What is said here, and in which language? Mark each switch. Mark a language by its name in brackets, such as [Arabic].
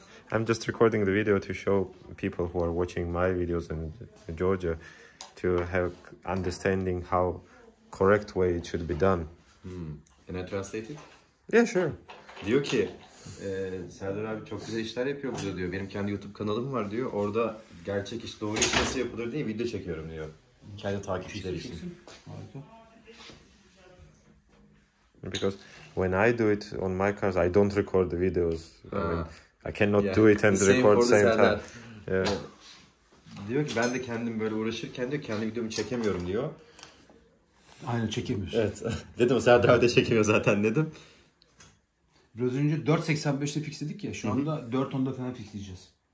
[English] I'm just recording the video to show people who are watching my videos in Georgia to have understanding how correct way it should be done. Can I translate it? Yeah, sure. [Turkish] Diyor ki, Serdar abi çok güzel işler yapıyor burada diyor. Benim kendi YouTube kanalım var diyor. Orada gerçek iş, doğru iş nasıl yapılır diye video çekiyorum diyor. Kendi takipçileri için. [English] Because when I do it on my cars, I don't record the videos. I mean, I cannot do it and record same time. [Turkish] Diyor ki ben de kendim böyle uğraşırken diyor kendi videomu çekemiyorum diyor. Aynen çekemiyorsun. Evet. Dedim Serdar abi de çekemiyor zaten dedim. Biraz önce 4.85'te fixledik ya, şu anda 4.10'da falan fixleyeceğiz.